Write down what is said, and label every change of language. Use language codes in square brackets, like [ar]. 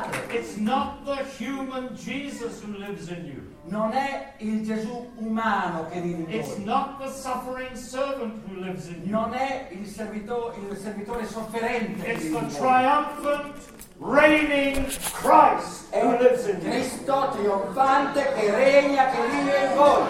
[en] It's not the human Jesus who lives in you. [it] Non è il Gesù umano che vive in voi. [en] It's not the suffering servant who lives in you. [it] Non è il servitore sofferente. [en] It's the triumphant, reigning Christ who lives in you. [it] Cristo trionfante che regna, che vive in voi.